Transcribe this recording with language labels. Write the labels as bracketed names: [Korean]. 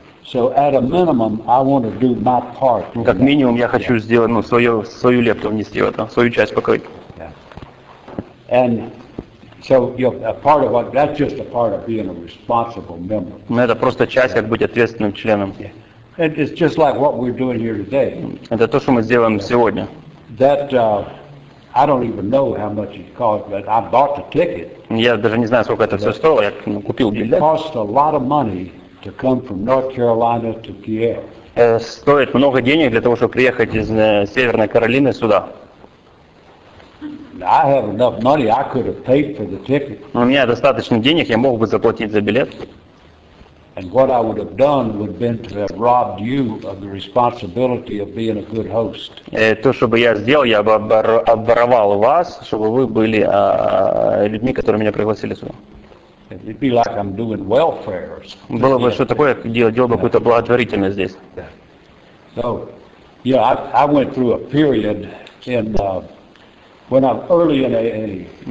[English] So at a minimum, I want to do my part. [Russian] Как минимум я хочу сделать свою лепту внести в это, свою часть покрыть. [English] Yeah. And so a part of that's just a part of being a responsible member. [Russian] Ну это просто часть как быть ответственным членом. [English] And it's just like what we're doing here today. [Russian] Это то, что мы сделаем сегодня. [English] That I don't even know how much it cost, but I bought the ticket. [Russian] Я даже не знаю, сколько это все стоило. Я купил билет. [English] It cost a lot of money to come from North Carolina to Kiev. [Russian] Стоит много денег для того, чтобы приехать из Северной Каролины сюда. [English] I have enough money. I could have paid for the ticket. [Russian] У меня достаточно денег, я мог бы заплатить за билет. [English] And what I would have done would have been to have robbed you of the responsibility of being a good host. [Russian] То, что бы я сделал, я бы обворовал вас, чтобы вы были людьми, которые меня пригласили сюда. [English] It'd be like I'm doing welfare. [Russian] Было бы что такое, делал бы какую-то благотворительность здесь. [English] So, yeah, I went through a period in when I'm early in AA.